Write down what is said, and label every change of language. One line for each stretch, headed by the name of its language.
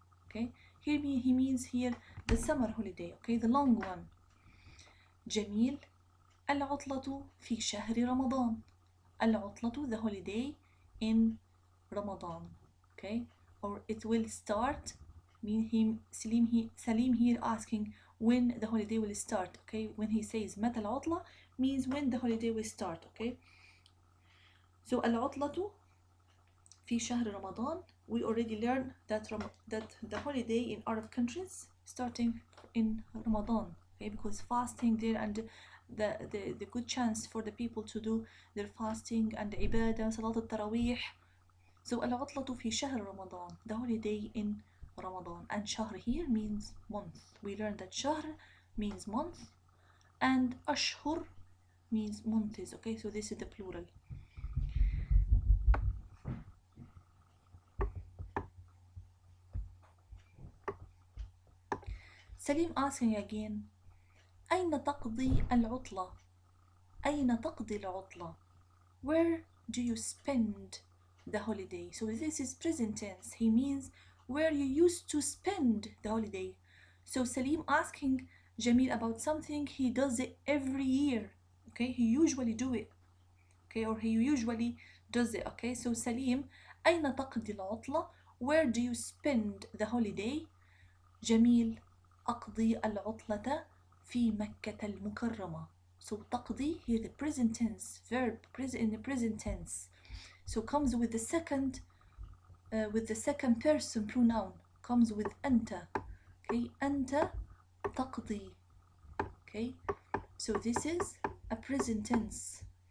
English: Okay, he means here the summer holiday, okay, the long one.
Arabic: Jamil, العطلة في شهر رمضان.
English: العطلة, the holiday in Ramadan, okay, or it will start. Mean him, Salim here asking when the holiday will start, okay, when he says
Arabic: متى العطلة
English: means when the holiday will start, okay. So,
Arabic: العطلة في شهر رمضان.
English: We already learned that the holiday in Arab countries starting in Ramadan, okay, because fasting there and the good chance for the people to do their fasting and ibadah, salat al-tarawih. So
Arabic: العطلة في شهر رمضان,
English: the holiday in Ramadan. And شهر here means month. We learned that شهر means month and أشهر means months, okay, so this is the plural.
Arabic: Salim
English: asking again,
Arabic: أين تقضي العطلة? أين تقضي العطلة?
English: Where do you spend the holiday? So this is present tense. He means where you used to spend the holiday. So Salim asking Jamil about something he does it every year. Okay, he usually do it. Okay, or he usually does it. Okay, so
Arabic: Salim, أين تقضي العطلة?
English: Where do you spend the holiday?
Arabic: Jamil, أقضي العطلة في مكة المكرمة.
English: So تقضي, here the present tense, verb present in the present tense. So comes with the second, with the second person pronoun. Comes with أنت. Okay,
Arabic: أنت تقضي.
English: Okay, so this is a present tense.